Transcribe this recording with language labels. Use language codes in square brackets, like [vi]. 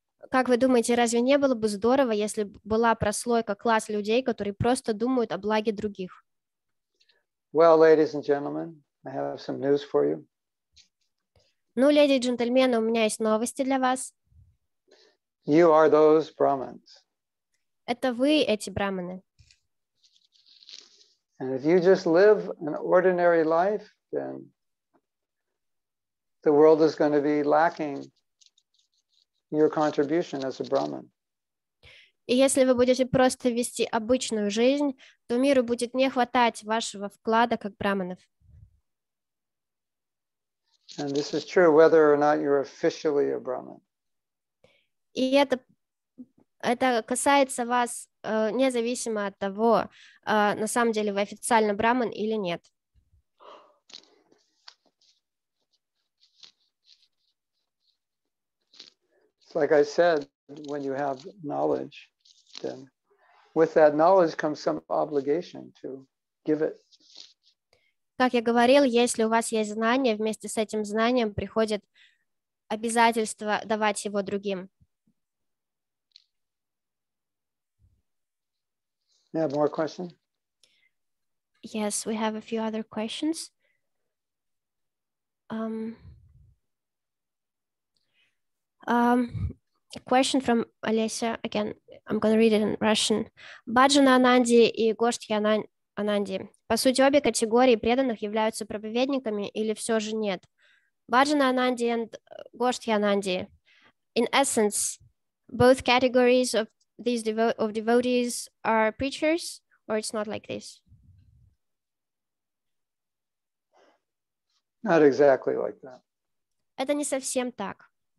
[ru] Как вы думаете, разве не было бы здорово, если была прослойка, класс людей, которые просто думают о благе других? [en] Well, ladies and gentlemen, I have some news for you. [ru] Ну, леди и джентльмены, у меня есть новости для вас. [en] You are those Brahmins. [ru] Это вы эти брахманы. [en] And if you just live an ordinary life, then the world is going to be lacking your contribution as a Brahmin. [ru] И если вы будете просто вести обычную жизнь, то миру будет не хватать вашего вклада как брахманов. [en] And this is true whether or not you're officially a Brahmin. [ru] И это касается вас независимо от того, на самом деле вы официально брахман или нет. [en] It's like I said, when you have knowledge, then with that knowledge comes some obligation to give it. [ru] Как я говорил, если у вас есть знание, вместе с этим знанием приходит обязательство давать его другим. [en] You have more questions? Yes, we have a few other questions. A question from Alessia again. I'm going to read it in Russian. Bhajana Anandi и Goshtya Anandi. [ru] По сути, обе категории преданных являются проповедниками или все же нет? [en] Bhajana Anandi and Goshtya Anandi. In essence, both categories of these devotees are preachers, or it's not like this? Not exactly like that. [ru] Это не совсем так.